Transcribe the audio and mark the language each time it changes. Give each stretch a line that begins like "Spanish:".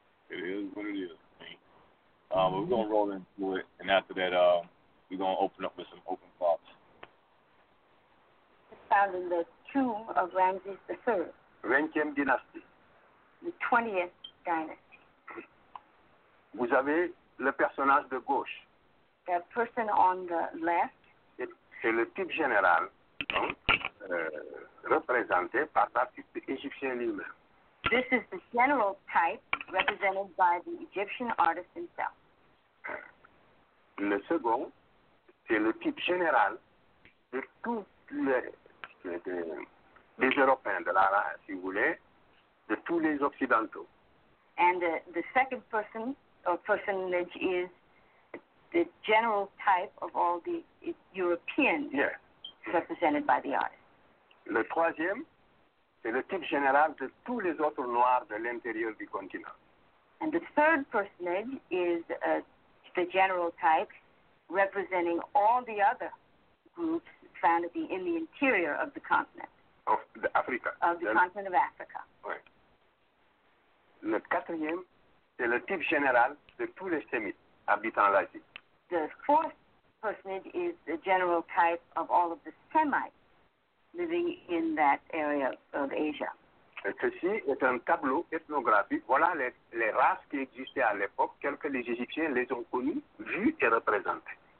English: It is what it is. We're going to roll into it, and after that, we're going to open up with some open thoughts. It's found in the tomb of Ramses III. Renkem Dynasty. The 20th.
French: Vous avez le personnage de gauche.
English: The person on the left.
French: C'est le type général, représenté par l'artiste égyptien lui-même.
English: This is the general type represented by the Egyptian artist himself.
French: Le second, c'est le type général de tous les Européens, de la race, si vous voulez, de tous les Occidentaux.
English: And the second person or personage is the general type of all the Europeans represented by the artist.
French: Le troisième, c'est le type général de tous les autres noirs de l'intérieur du continent.
English: And the third personage is the general type representing all the other groups found to be in the interior of the continent. Of the Africa. Of the continent of Africa. Right.
French: Le quatrième, c'est le type général de tous les Sémites habitant l'Asie.
English: The fourth personage is the general type of all of the Semites living in that area of Asia.
French: Et ceci est un tableau ethnographique. Voilà les races qui existaient à l'époque, telles que les Égyptiens les ont connues, vues et représentées.